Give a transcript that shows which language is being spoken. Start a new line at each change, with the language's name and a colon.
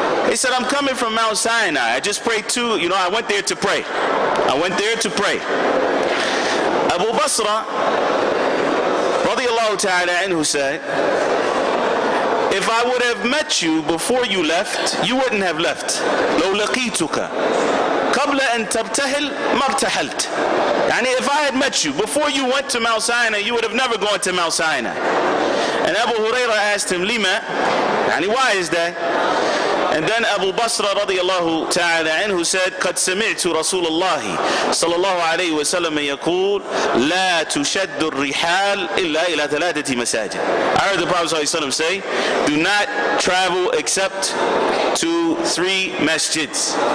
English: He said, "I'm coming from Mount Sinai. I just prayed to, you know, I went there to pray. I went there to pray." Abu Basra, radiallahu ta'ala anhu, said, "If I would have met you before you left, you wouldn't have left.
Arabic: لو لقيتك قبل أن تبتهل ما ابتهلت."
English: يعني if I had met you before you went to Mount Sinai, you would have never gone to Mount Sinai. And Abu Hurairah asked him, "Lima?" يعني why is that? And then Abu Basra radiallahu ta'ala anhu said,
Arabic: "قد سمعت رسول الله صلى الله عليه وسلم يقول لا تشد الرحال إلا إلى ثلاثة مساجد."
English: I heard the Prophet sallallahu alayhi wa sallam say, "Do not travel except to three masjids."